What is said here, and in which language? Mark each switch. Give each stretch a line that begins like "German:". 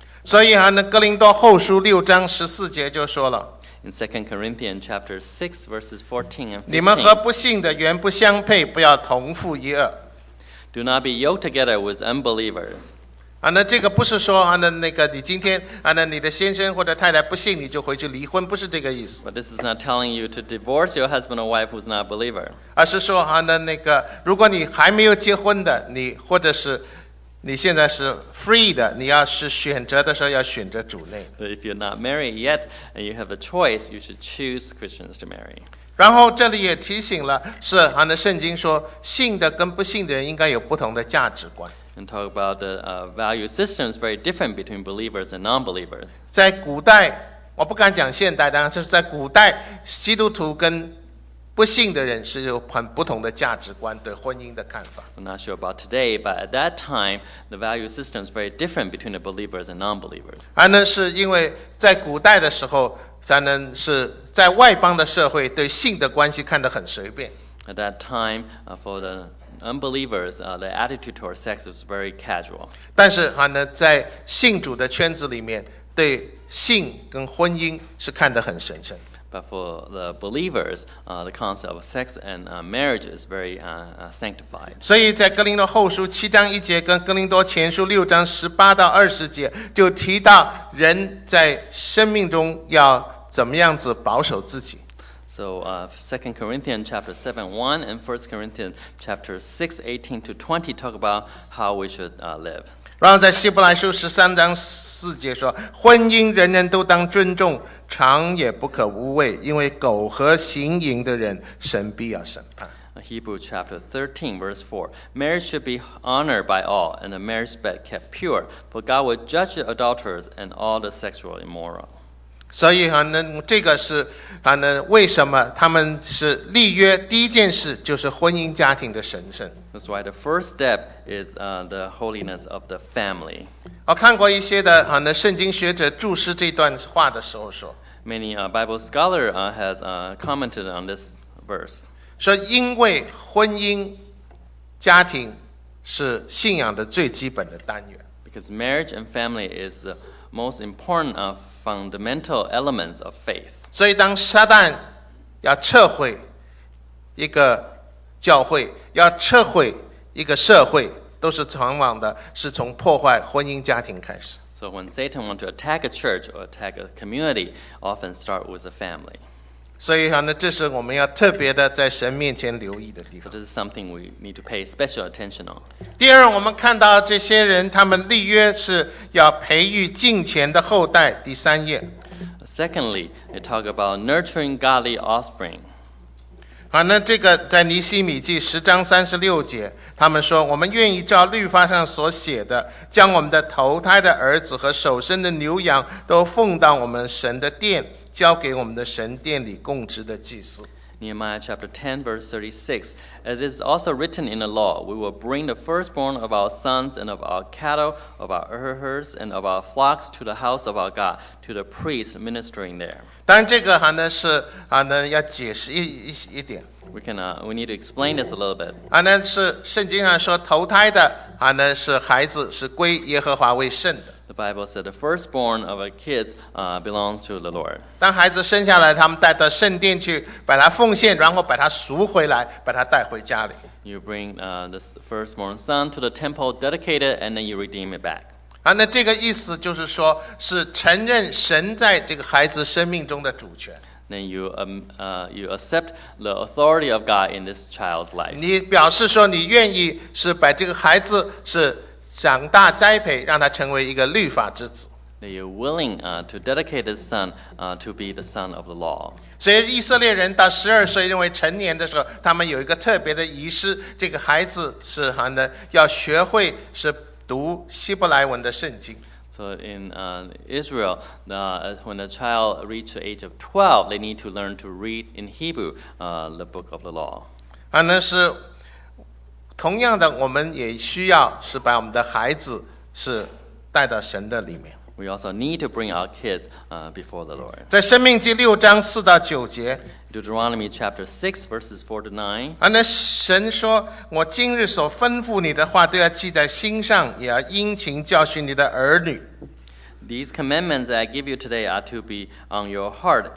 Chinese: 所以呢，哥林多后书六章十四节就说了。
English: In 2 Corinthians chapter 6, verses 14 and 15.
Chinese: 你们和不信的原不相配，不要同父一轭。
English: Do not be yoked together with unbelievers.
Chinese: 那这个不是说你今天你的先生或者太太不信，你就回去离婚，不是这个意思。
English: But this is not telling you to divorce your husband or wife who's not a believer.
Chinese: 而是说如果你还没有结婚的，你或者是你现在是 free 的，你要是选择的时候要选择主内。
English: If you're not married yet and you have a choice, you should choose Christians to marry.
Chinese: 然后这里也提醒了，是那圣经说信的跟不信的人应该有不同的价值观。
English: And talk about the value systems very different between believers and non-believers.
Chinese: 在古代，我不敢讲现代，当然就是在古代，基督徒跟不信的人是有很不同的价值观，对婚姻的看法。
English: I'm not sure about today, but at that time, the value system is very different between the believers and non-believers.
Chinese: 是因为在古代的时候，反正是在外邦的社会，对性的关系看得很随便。
English: At that time, for the unbelievers, the attitude toward sex was very casual.
Chinese: 但是在信主的圈子里面，对性跟婚姻是看得很神圣。
English: But for the believers, the concept of sex and marriage is very sanctified.
Chinese: 所以在哥林多后书七章一节跟哥林多前书六章十八到二十节就提到人在生命中要怎么样子保守自己。
English: So 2 Corinthians chapter 7, 1 and 1 Corinthians chapter 6, 18 to 20 talk about how we should live.
Chinese: 然后在希伯来书十三章四节说，婚姻人人都当尊重，常也不可无畏，因为苟合行淫的人，神必要审判。
English: Hebrews chapter 13 verse 4, marriage should be honored by all, and the marriage bed kept pure, for God will judge the adulterers and all the sexual immoral.
Chinese: 所以这个是为什么他们是立约，第一件事就是婚姻家庭的神圣。
English: That's why the first step is the holiness of the family.
Chinese: 我看过一些的圣经学者注释这段话的时候说，
English: Many Bible scholars has commented on this verse.
Chinese: 说因为婚姻家庭是信仰的最基本的单元。
English: Because marriage and family is the most important fundamental elements of faith.
Chinese: 所以当撒旦要撤毁一个教会，要撤毁一个社会，都是往往的是从破坏婚姻家庭开始。
English: So when Satan wants to attack a church or attack a community, often start with a family.
Chinese: 所以这是我们要特别的在神面前留意的地方。
English: This is something we need to pay special attention on.
Chinese: 第二，我们看到这些人，他们立约是要培育敬虔的后代。第三页。
English: Secondly, they talk about nurturing godly offspring.
Chinese: 那这个在尼希米记十章三十六节，他们说，我们愿意照律法上所写的，将我们的头胎的儿子和首生的牛羊都奉到我们神的殿，交给我们的神殿里供职的祭司。
English: Nehemiah chapter 10 verse 36, it is also written in the law, we will bring the firstborn of our sons and of our cattle, of our herds and of our flocks to the house of our God, to the priests ministering there.
Chinese: 但这个是要解释 一点。
English: We need to explain this a little bit.
Chinese: 是圣经上说头胎的是孩子是归耶和华为圣的。
English: The Bible said the firstborn of a kid belongs to the Lord.
Chinese: 当孩子生下来，他们带到圣殿去，把他奉献，然后把他赎回来，把他带回家里。
English: You bring the firstborn son to the temple, dedicate it, and then you redeem it back.
Chinese: 那这个意思就是说，是承认神在这个孩子生命中的主权。
English: Then you accept the authority of God in this child's life.
Chinese: 你表示说你愿意是把这个孩子是长大栽培，让他成为一个律法之子。
English: Then you're willing to dedicate this son to be the son of the law.
Chinese: 所以以色列人到十二岁认为成年的时候，他们有一个特别的仪式，这个孩子是要学会是。读希伯来文的圣经。
English: So in Israel, when a child reaches the age of 12, they need to learn to read in Hebrew, the book of the law.
Chinese: 是同样的，我们也需要是把我们的孩子是带到神的里面。
English: We also need to bring our kids before the Lord.
Chinese: 在申命记六章四到九节。
English: Deuteronomy chapter 6 verses 4 to 9.
Chinese: 那神说，我今日所吩咐你的话都要记在心上，也要殷勤教训你的儿女。
English: These commandments that I give you today are to be on your heart.